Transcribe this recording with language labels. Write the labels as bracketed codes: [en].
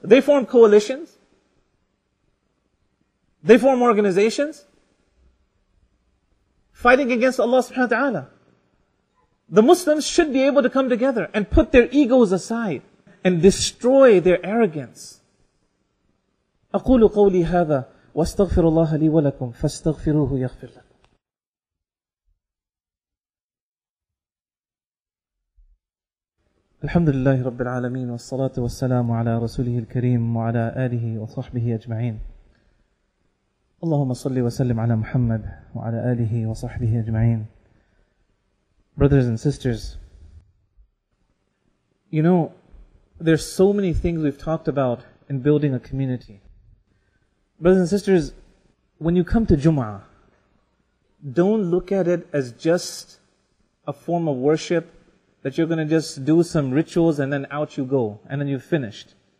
[en] They form coalitions. They form organizations. Fighting against Allah subhanahu wa ta'ala. The Muslims should be able to come together and put their egos aside and destroy their arrogance. [ar] أقول قولي هذا واستغفر الله لي ولكم فاستغفروه يغفر لكم. الحمد لله رب العالمين والصلاة والسلام على رسوله الكريم وعلى آله وصحبه أجمعين. اللهم صل وسلم على محمد وعلى آله وصحبه أجمعين. [en] Brothers and sisters, you know, there's so many things we've talked about in building a community. Brothers and sisters, when you come to Jum'ah, don't look at it as just a form of worship that you're going to just do some rituals and then out you go and then you've finished.